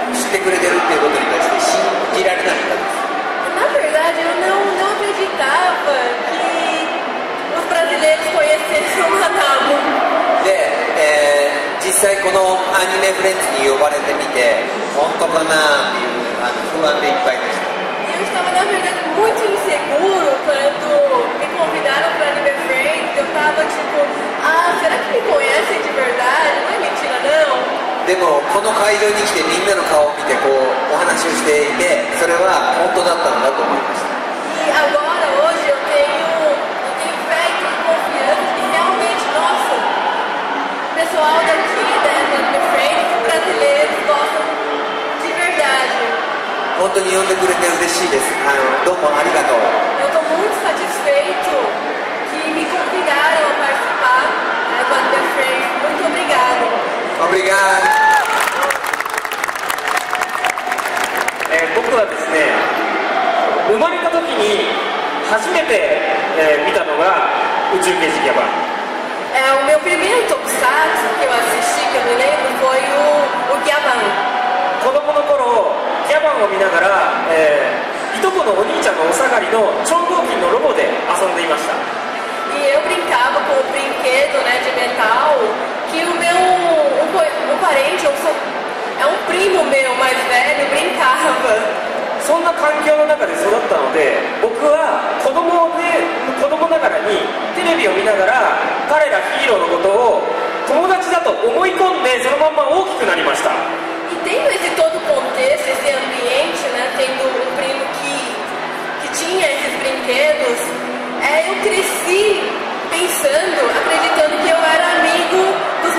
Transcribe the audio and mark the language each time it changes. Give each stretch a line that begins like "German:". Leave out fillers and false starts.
Japanese: てくれてるっていうことに対して信じられなかったんです。
Portuguese: Na verdade, eu não acreditava que os brasileiros conhecessem o Manabu.
Japanese: で、実際このアニメフレンズに呼ばれてみて、本当かなっていう不安でいっぱいでした。
Portuguese: Eu estava, na verdade, muito inseguro quando me convidaram para Anime Friends. Eu estava tipo, ah, será que me conhecem de verdade? Não é mentira, não?
Japanese: でもこの会場に来てみんなの顔を見てこうお話をしていて、それは本当だったんだと思いました。
Portuguese: agora, hoje, eu tenho fé e confiança que realmente, nossa, o pessoal daqui, da Friends, os brasileiros gostam de verdade.
Japanese: 本当に呼んでくれて嬉しいです。どうもありがとう。
Portuguese: eu tô muito satisfeito que me convidaram a participar da The Friends. Muito obrigado.
Japanese: 僕はですね、生まれた時に初めて、見たのが宇宙刑事ギャバン。
Portuguese: O meu primeiro tokusatsu que eu assisti, que eu me lembro, foi o ギャバン。
Japanese: 子供の頃、ギャバンを見ながら、いとこのお兄ちゃんのお下がりの超合金のロボで遊んでいました。
Portuguese: E eu brincava com o brinquedo, né, de metal. Que o meu o parente, eu sou, é um primo meu mais velho, brincava.
Japanese: そんな環境の中で育ったので、僕は子供ながらにテレビを見ながら彼らヒーローのことを友達だと思い込んで、そのまま大きくなりました。
Portuguese: E tendo esse todo contexto, esse ambiente, né, tendo um primo que tinha esses brinquedos, eu cresci pensando, acreditando que eu era amigo.